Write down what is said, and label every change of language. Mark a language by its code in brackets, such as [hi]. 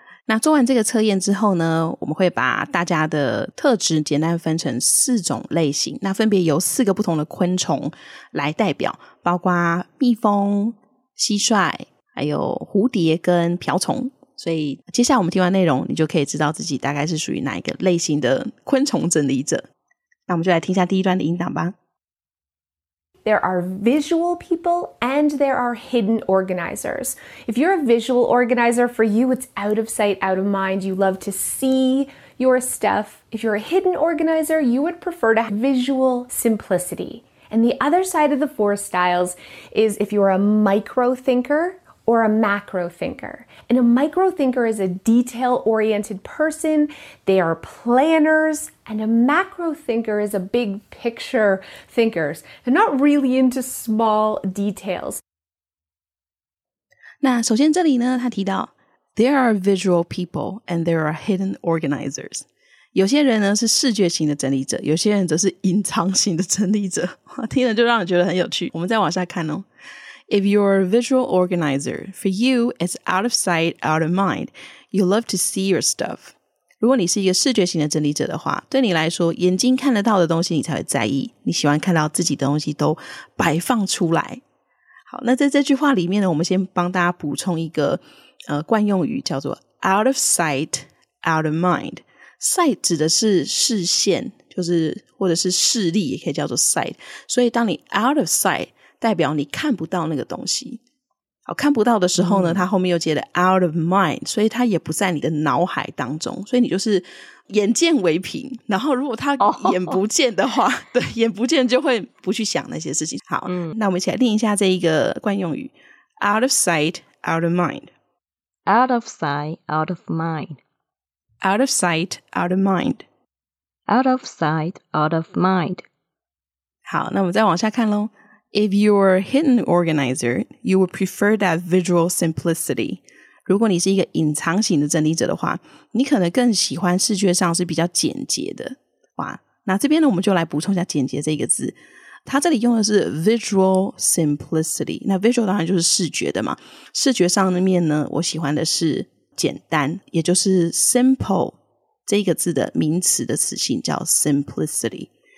[zh] 那做完这个测验之后呢，我们会把大家的特质简单分成4种类型，那分别由4个不同的昆虫来代表，包括蜜蜂、蟋蟀、还有蝴蝶跟瓢虫。所以接下来我们听完内容，你就可以知道自己大概是属于哪一个类型的昆虫整理者。那我们就来听一下第一段的音档吧。 [en] There are visual people and there are hidden organizers. If you're a visual organizer, for you, it's out of sight, out of mind. You love to see your stuff. If you're a hidden organizer, you would prefer to have visual simplicity. And the other side of the four styles is if you're a micro thinker or a macro thinker. And a micro thinker is a detail-oriented person. They are planners. And a macro thinker is a big picture thinker. They're not really into small details. [zh] 那首先这里呢，他提到 [en] There are visual people and there are hidden organizers. [zh] 有些人呢是视觉型的整理者，有些人则是隐藏型的整理者。听了就让人觉得很有趣。我们再往下看哦。 [en] If you're a visual organizer, for you, it's out of sight, out of mind. You love to see your stuff. [zh] 如果你是一个视觉型的整理者的话，对你来说，眼睛看得到的东西你才会在意，你喜欢看到自己的东西都摆放出来。好，那在这句话里面呢，我们先帮大家补充一个惯用语，叫做 out of sight, out of mind. Sight 指的是视线，就是或者是视力，也可以叫做 sight. 所以当你 out of sight,代表你看不到那个东西。好，看不到的时候呢，它后面又接了 out of mind, 所以它也不在你的脑海当中，所以你就是眼见为凭，然后如果它眼不见的话、oh. 对，眼不见就会不去想那些事情。好、那我们一起来练一下这一个惯用语 out of sight, out of mind. [en] Out of sight, out of mind. Out of sight, out of mind. Out of sight, out of mind. [zh] 好，那我们再往下看咯。 [en] If you're a hidden organizer, you would prefer that visual simplicity. [zh] 如果你是一个隐藏型的整理者的话，你可能更喜欢视觉上是比较简洁的。哇，那这边呢，我们就来补充一下简洁这个字。它这里用的是 visual simplicity。那 visual 当然就是视觉的嘛。视觉上的面呢，我喜欢的是简单，也就是 simple 这个字的名词的词性叫 simplicity。